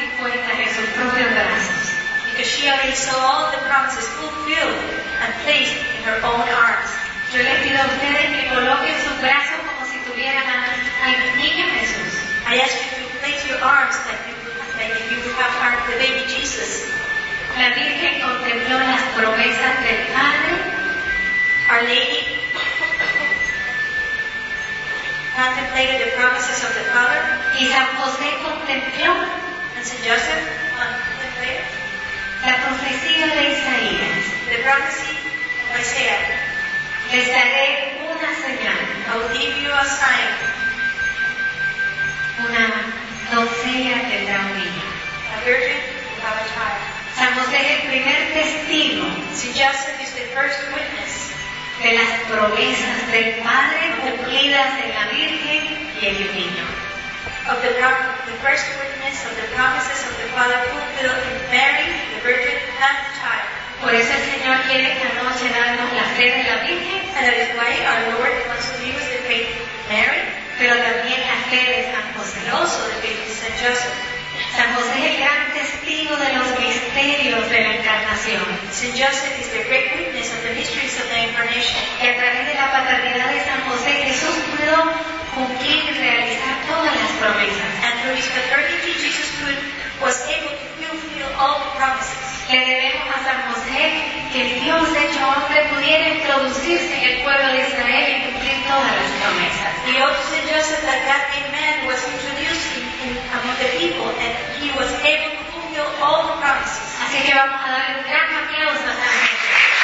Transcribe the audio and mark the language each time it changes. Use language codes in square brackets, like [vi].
[en] Because she already saw all the promises fulfilled and placed in her own arms. [es] Yo les pido a ustedes que coloquen sus brazos como si tuvieran a mi niño Jesús. [en] I ask you to place your arms like you have heard the baby Jesus. [es] La Virgen contempló las promesas del Padre. [en] Our Lady contemplated the promises of the Father. [es] Y San José contempló. [en] And St. Joseph contemplated. [es] La profecía de Isaías. [en] The prophecy of Isaiah. [es] Les daré una señal. [en] I will give you a sign. [es] Una doncella tendrá un niño. [en] A virgin will have a child. [es] San José es el primer testigo. [en] St. Joseph is the first witness. [es] De las promesas del Padre cumplidas en la Virgen y en el niño. [en] Of the first witness of the promises of the Father fulfilled in Mary, the Virgin, and the child. [es] Por eso el Señor quiere que anoche darnos la fe de la Virgen. [en] And that is why our Lord wants to give us the faith of Mary. [es] Pero también la fe de San José. [en] And also the faith of St. Joseph. [es] San José es el gran testigo de los misterios de la Encarnación. [en] St. Joseph is the great witness of the mysteries of the Incarnation. [es] Y a través de la paternidad de San José, Jesús pudo cumplir y realizar todas las promesas. [en] And through his paternity, Jesus could, was able to fulfill all the promises. [es] Le debemos a San José que Dios hecho hombre pudiera introducirse en el pueblo de Israel y cumplir todas las promesas. [en] We owe St. Joseph that that big man was introduced in among the people and he was able to fulfill all the promises. [es] Así que vamos a darle un gran aplauso a San José.